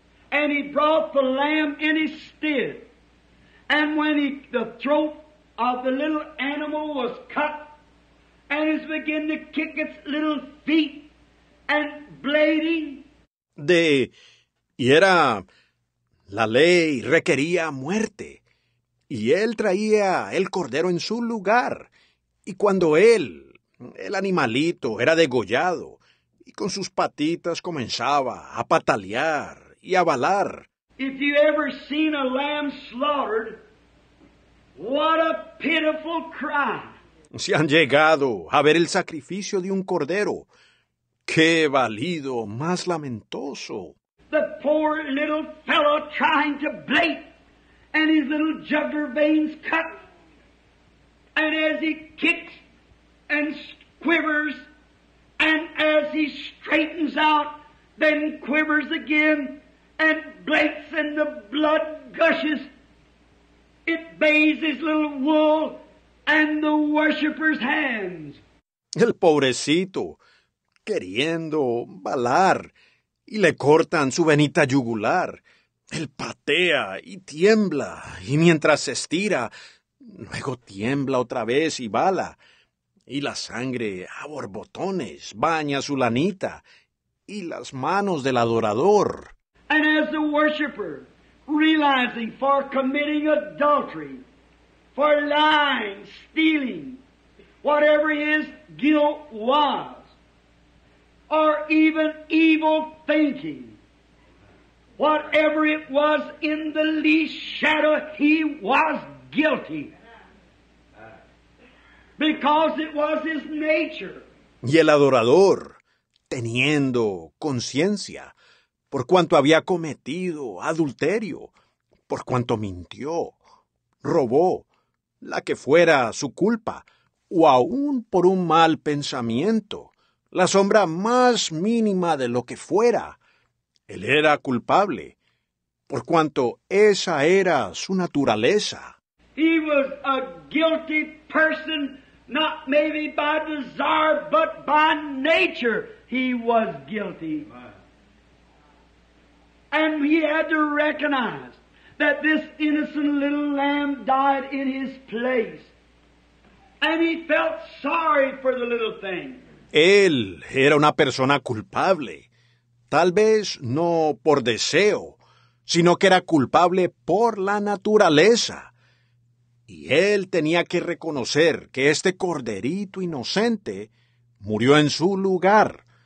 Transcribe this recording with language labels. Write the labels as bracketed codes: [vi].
[en] And he brought the lamb in his stead. And when the throat of the little animal was cut, and it began to kick its little feet and bleeding. [es] Y era, la ley requería muerte. Y él traía el cordero en su lugar. Y cuando él, el animalito, era degollado, y con sus patitas comenzaba a patalear, y a balar. [en] If you ever seen a lamb slaughtered, what a pitiful cry. [es] Si han llegado a ver el sacrificio de un cordero, qué balido más lamentoso. [en] The poor little fellow trying to bleat, and his little jugular veins cut, and as he kicks and quivers, and as he straightens out, then quivers again, and bleats, and the blood gushes. It bathes his little wool and the worshipper's hands. [es] El pobrecito, queriendo balar, y le cortan su venita yugular. Él patea y tiembla, y mientras se estira, luego tiembla otra vez y bala. Y la sangre a borbotones baña su lanita y las manos del adorador. [en] And as the worshipper, realizing for committing adultery, for lying, stealing, whatever his guilt was, or even evil thinking, whatever it was, in the least shadow, he was guilty. Because it was his nature. [es] Y el adorador, teniendo conciencia, por cuanto había cometido adulterio, por cuanto mintió, robó, la que fuera su culpa, o aún por un mal pensamiento, la sombra más mínima de lo que fuera, él era culpable, por cuanto esa era su naturaleza. [en] He was a guilty person, not maybe by desire, but by nature he was guilty. And he had to recognize that this innocent little lamb died in his place. And he felt sorry for the little thing. [es] Él era una persona culpable, tal vez no por deseo, sino que era culpable por la naturaleza. Y él tenía que reconocer que este corderito inocente murió en su lugar.